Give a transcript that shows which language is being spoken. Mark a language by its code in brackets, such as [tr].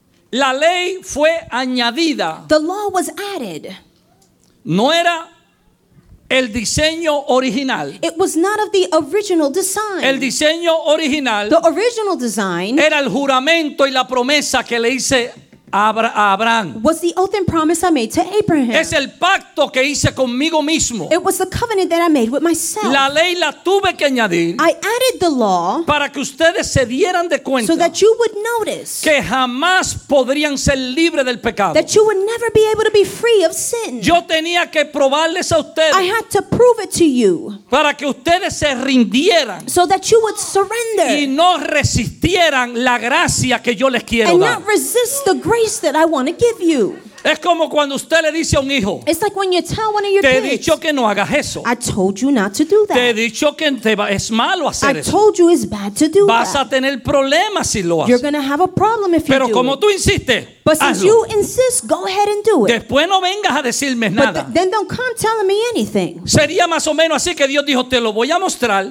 [es] la ley fue añadida. [en] The law was added. [es] No era el diseño original. [en] It was not of the original design. [es] El diseño original, [en] the original design, [es] era el juramento y la promesa que le hice a Abraham. [en] Was the oath and promise I made to Abraham. [es] Es el pacto que hice conmigo mismo. [en] It was the covenant that I made with myself. [es] La ley la tuve que añadir. [en] I added the law. [es] Para que ustedes se dieran de cuenta. [en] So that you would notice. [es] Que jamás podrían ser libres del pecado. [en] That you would never be able to be free of sin. [es] Yo tenía que probarles a ustedes. [en] I had to prove it to you. [es] Para que ustedes se rindieran. [en] So that you would surrender. [es] Y no resistieran la gracia que yo les quiero [en] and [es] dar. [en] And not resist the grace that I want to give you. [es] Es como cuando usted le dice a un hijo. [en] It's like when you tell one of your [es] te [en] kids. [es] Te he dicho que no hagas eso. [en] I told you not to do that. [es] Te he dicho que es malo hacer [en] I [es] eso. [en] I told you it's bad to do [es] vas [en] that. [es] A tener problemas si lo haces. [en] You're going to have a problem if [es] pero [en] you do [es] como tú insistes, [en] but [es] hazlo. [en] Since you insist, go ahead and do it. [es] Después no vengas a decirme [en] but [es] nada. [en] Then don't come telling me anything. [es] Sería más o menos así que Dios dijo, te lo voy a mostrar.